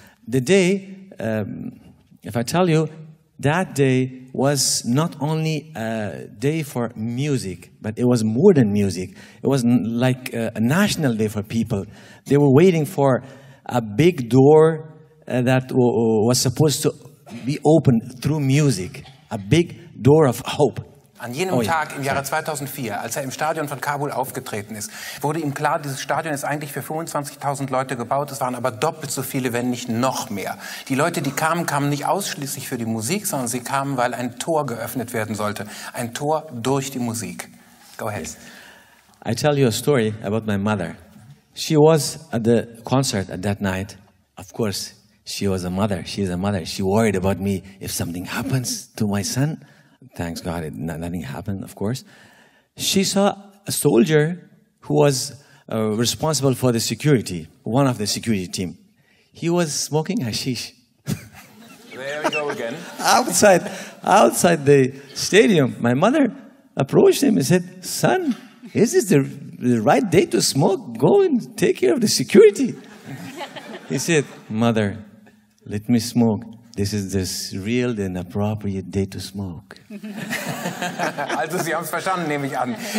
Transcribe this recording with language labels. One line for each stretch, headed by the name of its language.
English: The day, if I tell you, that day was not only a day for music, but it was more than music. It was like a national day for people. They were waiting for a big door that was supposed to be opened through music, a big door of hope.
German: An jenem Tag im Jahre 2004, als er im Stadion von Kabul aufgetreten ist, wurde ihm klar, dieses Stadion ist eigentlich für 25.000 Leute gebaut, es waren aber doppelt so viele, wenn nicht noch mehr. Die Leute, die kamen, kamen nicht ausschließlich für die Musik, sondern sie kamen, weil ein Tor geöffnet werden sollte, ein Tor durch die Musik.
English: Go ahead. Yes. I tell you a story about my mother. She was at the concert at that night. Of course, she was a mother. She is a mother. She worried about me if something happens to my son. Thanks God, nothing happened, of course. She saw a soldier who was responsible for the security, one of the security team. He was smoking hashish. There we go again. outside the stadium, my mother approached him and said, "Son, is this the right day to smoke? Go and take care of the security." He said, "Mother, let me smoke. This is the real and appropriate day to smoke."
German: Also, Sie haben es verstanden, nehme ich an.